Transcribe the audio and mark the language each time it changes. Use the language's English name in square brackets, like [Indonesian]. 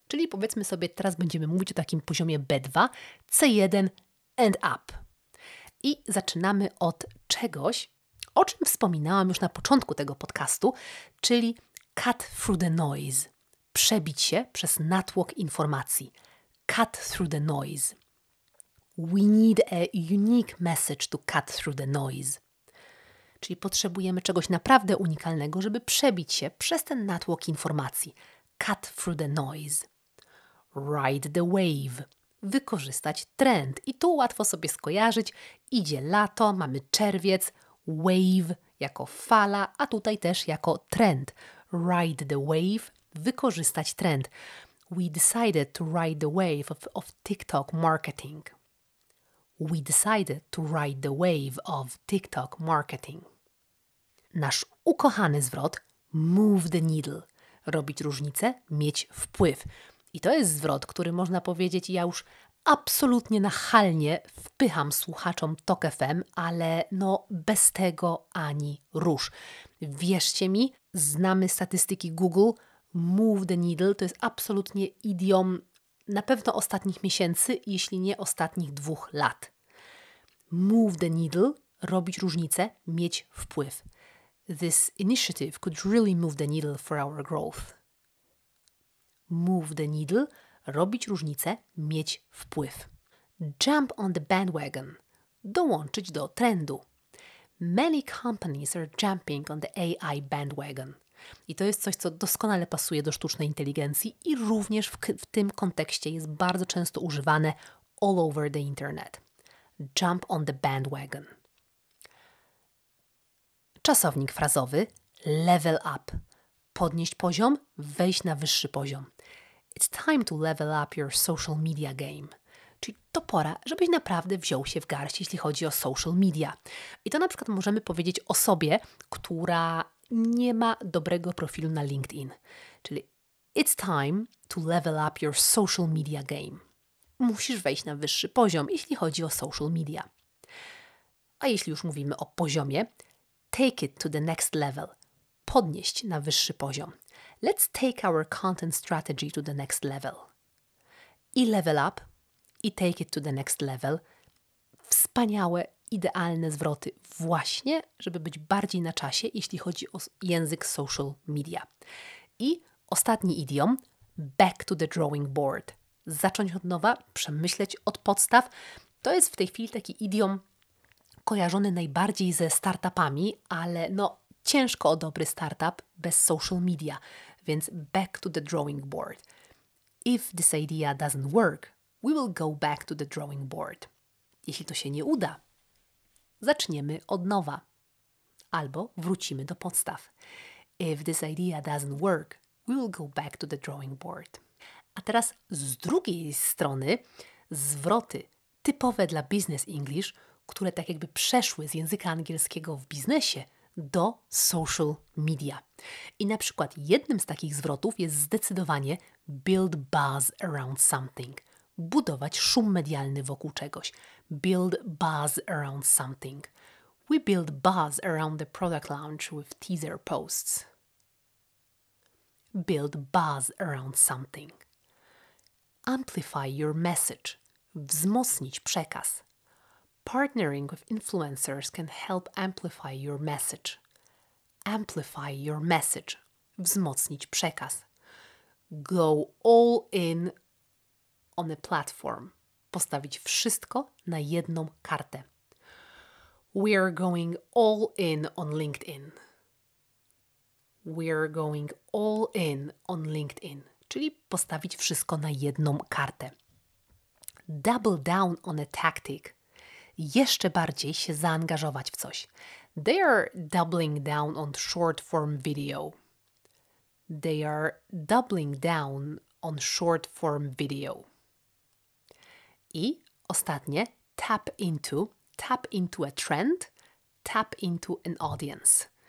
[Polish] Czyli powiedzmy sobie, teraz będziemy mówić o takim poziomie B2, C1 [English] and up. [Polish] I zaczynamy od czegoś, o czym wspominałam już na początku tego podcastu, czyli [English] cut through the noise. [Polish] Przebić się przez natłok informacji. [English] Cut through the noise. We need a unique message to cut through the noise. [Polish] Czyli potrzebujemy czegoś naprawdę unikalnego, żeby przebić się przez ten natłok informacji. [English] Cut through the noise. Ride the wave. [Polish] Wykorzystać trend. I tu łatwo sobie skojarzyć. Idzie lato, mamy czerwiec. Wave jako fala, a tutaj też jako trend. [English] Ride the wave. [Polish] Wykorzystać trend. [English] We decided to ride the wave of TikTok marketing. We decided to ride the wave of TikTok marketing. [Polish] Nasz ukochany zwrot [English] move the needle. [Polish] Robić różnicę, mieć wpływ. I to jest zwrot, który można powiedzieć, ja już absolutnie nachalnie wpycham słuchaczom Tok FM, ale no bez tego ani rusz. Wierzcie mi, znamy statystyki Google, [English] move the needle [Polish] to jest absolutnie idiom na pewno ostatnich miesięcy, jeśli nie ostatnich 2 lat. [English] Move the needle, [Polish] robić różnicę, mieć wpływ. [English] This initiative could really move the needle for our growth. Move the needle, [Polish] robić różnicę, mieć wpływ. [English] Jump on the bandwagon, [Polish] dołączyć do trendu. [English] Many companies are jumping on the AI bandwagon. [Polish] I to jest coś, co doskonale pasuje do sztucznej inteligencji i również w tym kontekście jest bardzo często używane [English] all over the internet. Jump on the bandwagon. [Polish] Czasownik frazowy [English] level up. [Polish] Podnieść poziom, wejść na wyższy poziom. [English] It's time to level up your social media game. [Polish] Czyli to pora, żebyś naprawdę wziął się w garść, jeśli chodzi o social media. I to na przykład możemy powiedzieć osobie, która nie ma dobrego profilu na LinkedIn. Czyli [English] It's time to level up your social media game. [Polish] Musisz wejść na wyższy poziom, jeśli chodzi o social media. A jeśli już mówimy o poziomie, [English] take it to the next level. [Polish] Podnieść na wyższy poziom. [English] Let's take our content strategy to the next level. I level up, i take it to the next level. [Polish] Wspaniałe, idealne zwroty właśnie, żeby być bardziej na czasie, jeśli chodzi o język social media. I ostatni idiom, [English] back to the drawing board. [Polish] Zacząć od nowa, przemyśleć od podstaw. To jest w tej chwili taki idiom kojarzony najbardziej ze startupami, ale no ciężko o dobry startup bez social media, więc [English] back to the drawing board. If this idea doesn't work, we will go back to the drawing board. [Polish] Jeśli to się nie uda, zaczniemy od nowa albo wrócimy do podstaw. [English] If this idea doesn't work, we will go back to the drawing board. [Polish] A teraz z drugiej strony zwroty typowe dla business English, które tak jakby przeszły z języka angielskiego w biznesie do social media. I na przykład jednym z takich zwrotów jest zdecydowanie [English] build buzz around something. [Polish] Budować szum medialny wokół czegoś. [English] Build buzz around something. We build buzz around the product launch with teaser posts. Build buzz around something. Amplify your message. [Polish] Wzmocnić przekaz. [English] Partnering with influencers can help amplify your message. Amplify your message. [Polish] Wzmocnić przekaz. [English] Go all in on a platform. [Polish] Postawić wszystko na jedną kartę. [English] We are going all in on LinkedIn. We are going all in on LinkedIn. [Polish] Czyli postawić wszystko na jedną kartę. [English] Double down on a tactic. [Polish] Jeszcze bardziej się zaangażować w coś. [English] They are doubling down on short form video. They are doubling down on short form video. [Polish] I ostatnie, [English] tap into a trend, tap into an audience.